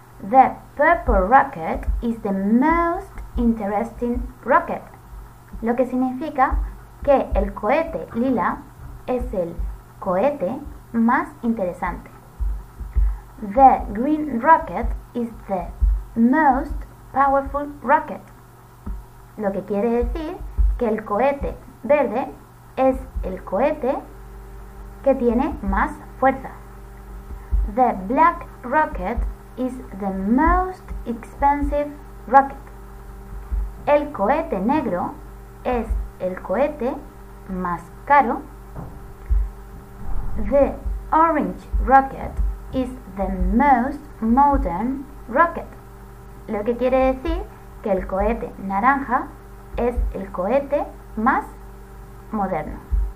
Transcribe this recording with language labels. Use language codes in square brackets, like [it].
[en] The purple rocket is the most interesting rocket. [es] Lo que significa que el cohete lila es el cohete más interesante. [en] The green rocket is the most powerful rocket. [es] Lo que quiere decir que el cohete verde es el cohete que tiene más fuerza. [en] The black rocket is the most expensive rocket. [es] El cohete negro es el cohete más caro. [en] The orange rocket is the most modern rocket. [es] Lo que quiere decir que el cohete naranja es el cohete más moderno.